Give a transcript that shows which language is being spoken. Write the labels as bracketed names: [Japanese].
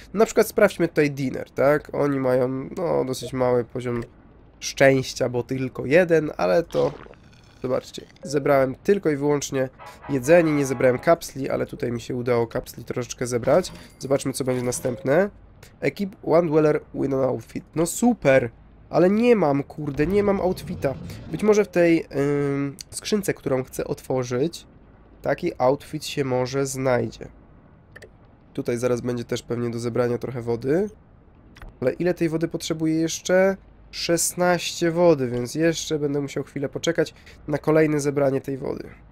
[Polish] Na przykład sprawdźmy tutaj Diner, tak? Oni mają no, dosyć mały poziom szczęścia, bo tylko jeden, ale to... Zobaczcie, zebrałem tylko i wyłącznie jedzenie, nie zebrałem kapsli, ale tutaj mi się udało kapsli troszeczkę zebrać. Zobaczmy, co będzie następne. [English] Equip one dweller with an outfit. [Polish] No super! Ale nie mam, kurde, nie mam outfita. Być może w tej skrzynce, którą chcę otworzyć, taki outfit się może znajdzie. Tutaj zaraz będzie też pewnie do zebrania trochę wody. Ale ile tej wody potrzebuję jeszcze? 16 wody, więc jeszcze będę musiał chwilę poczekać na kolejne zebranie tej wody.